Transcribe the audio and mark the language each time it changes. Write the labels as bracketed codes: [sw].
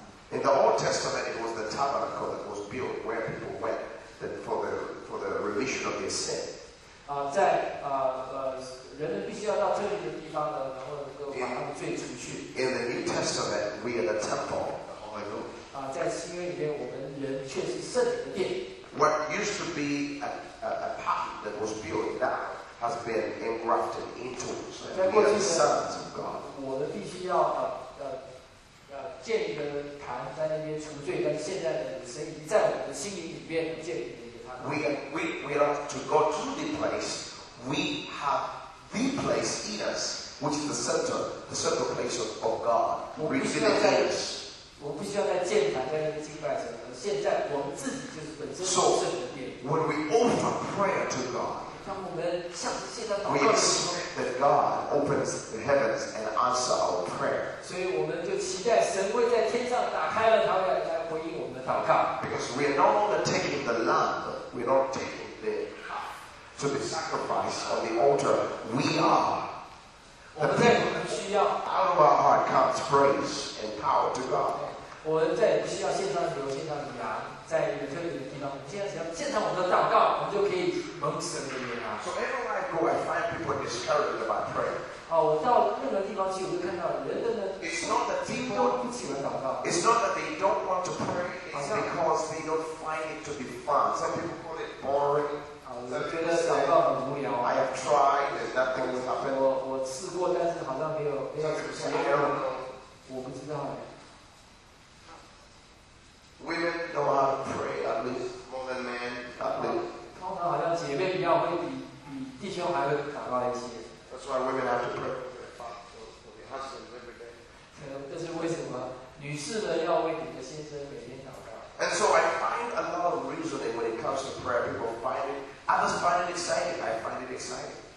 [en] In the Old Testament, it was the tabernacle that was built where people went for the remission of their sin. In the New Testament, we are the temple. Hallelujah. [zh] 在新约里面，我们人却是圣殿的殿。 [en] What used to be a part that was built now has been engrafted into us. We are sons of God. [zh] 我们必须要建一个坛在那边除罪，但现在的神已经在我们的心灵里面建立一个坛。 [en] We are to go to the place. We have the place in us, which is the center place of God. We are the place. [zh] 我不需要再建坛，在那边敬拜神。现在我们自己就是本身是圣的殿。 [en] So, when we offer prayer to God, [zh] 当我们向现在祷告， [en] we expect that God opens the heavens and answer our prayer. [zh] 所以我们就期待神会在天上打开了祷告来回应我们的祷告。 [en] Because we are not only taking the lamb, we are not taking the to be sacrificed on the altar. We are. The people out of our heart comes praise and power to God. [zh] 我们再也不需要献上牛、献上羊，在特定的地方，我们现在只要献上我们的祷告，我们就可以蒙神的悦纳。 [en] So everywhere I go, I find people discouraged about prayer. [zh] 我到任何地方去，我就看到人们呢。 [en] It's not that people don't [zh] 不喜欢祷告。 [en] It's not that they don't want to pray. It's because they don't find it to be fun. Some people call it boring. [zh] 我觉得祷告很无聊。 [en] I have tried, and nothing has happened. [zh] 我试过，但是好像没有什么效果。我不知道哎。 [en] Women know how to pray at least more than men. At least. [zh] 通常好像姐妹比较会比弟兄还会祷告一些。 [en] That's why women have to pray for their husbands every day. [zh] 这是为什么？女士呢要为你的先生每天祷告。 [en] And so I find a lot of reasoning when it comes to prayer. People find it. Others find it exciting. I find it exciting.